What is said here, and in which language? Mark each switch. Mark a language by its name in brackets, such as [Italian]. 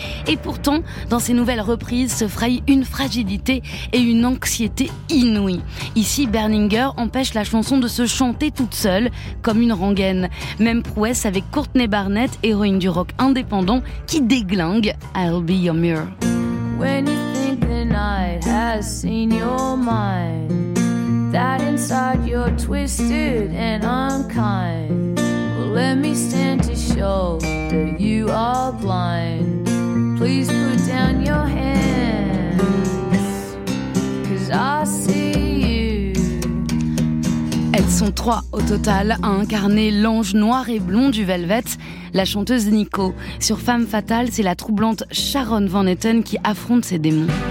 [French] Et pourtant, dans ces nouvelles reprises, se fraye une fragilité et une anxiété inouïe. Ici, Berninger empêche la chanson de se chanter toute seule, comme une rengaine. Même prouesse avec Courtney Barnett, héroïne du rock indépendant, qui déglingue « I'll be your mirror ». [English] When you think the night has seen your mind, that inside you're twisted and unkind. Let me stand to show that you are blind. Please put down your hands, 'cause I see you. [French] Elles sont trois au total à incarner l'ange noir et blond du Velvet. La chanteuse Nico. Sur Femme Fatale, c'est la troublante Sharon Van Etten qui affronte ses démons.